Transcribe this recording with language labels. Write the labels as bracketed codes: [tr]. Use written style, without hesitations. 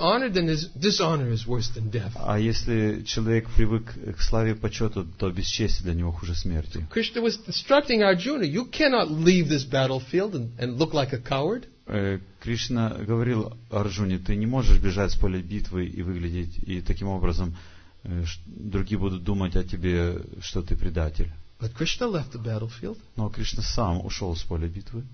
[ru] А если человек привык к славе и почету, то бесчестие для него хуже смерти. [en] Krishna was instructing Arjuna, you cannot leave this battlefield and look like a coward. [ru] Кришна говорил Арджуне: ты не можешь бежать с поля битвы и выглядеть, и таким образом другие будут думать о тебе, что ты предатель. [en] But Krishna left the battlefield. [ru] Но Кришна сам ушел с поля битвы.